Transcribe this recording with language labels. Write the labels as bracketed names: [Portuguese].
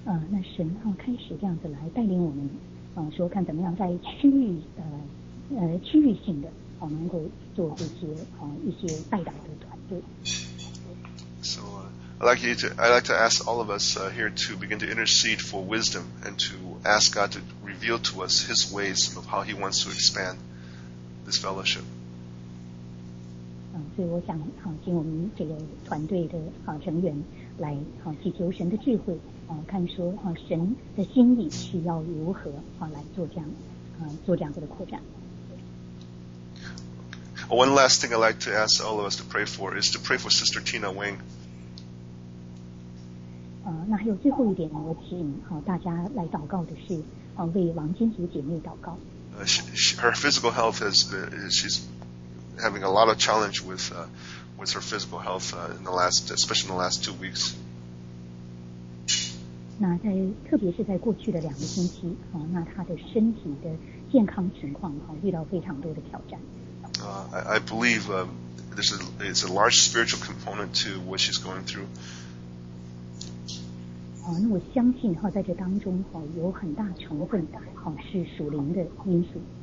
[Chinese] 那神开始这样子来带领我们说看怎么样在区域性的能够做一些代祷的团队。 [English] So I'd like to ask all of us here to begin to intercede for wisdom and to ask God to reveal to us His ways of how He wants to expand this fellowship. [Chinese] 所以我想请我们这个团队的成员来祈求神的智慧看说神的心意是要如何来做这样做这样子的扩展。 [English] One last thing I'd like to ask all of us to pray for is to pray for Sister Tina Wang. [Chinese] 那还有最后一点我请大家来祷告的是为王金竹姐妹祷告。 [English] Her physical health she's having a lot of challenge with her physical health especially in the last 2 weeks. [Chinese] 那在特别是在过去的两个星期那她的身体的健康情况遇到非常多的挑战。 [English] I believe this is a large spiritual component to what she's going through. [Chinese] 那我相信在这当中有很大成分是属灵的因素。